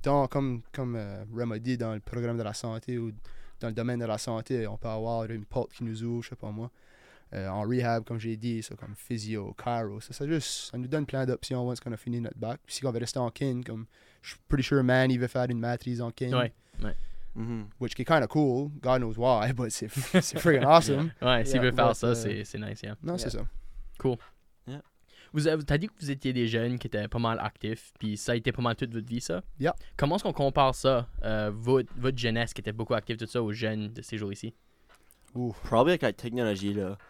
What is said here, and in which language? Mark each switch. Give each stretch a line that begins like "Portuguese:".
French: Comme Rem a dit, dans le programme de la santé ou dans le domaine de la santé, on peut avoir une porte qui nous ouvre, je sais pas moi. En rehab, comme j'ai dit, ça, comme physio, chiro, ça nous donne plein d'options once qu'on a fini notre bac. Puis si on veut rester en kin, comme je suis pretty sure man, il veut faire une maîtrise en kin. Ouais.
English: Which is kind of cool, God knows why, but c'est freaking awesome.
French: Ouais, s'il veut faire ça, c'est nice, yeah. Non,
English: yeah.
French: C'est ça.
English: Cool.
French: T'as dit que vous étiez des jeunes qui étaient pas mal actifs, puis ça a été pas mal toute votre vie, ça.
English: Yeah.
French: Comment est-ce qu'on compare ça, votre jeunesse qui était beaucoup active, tout ça, aux jeunes de ces jours-ci? Probablement avec la technologie, là.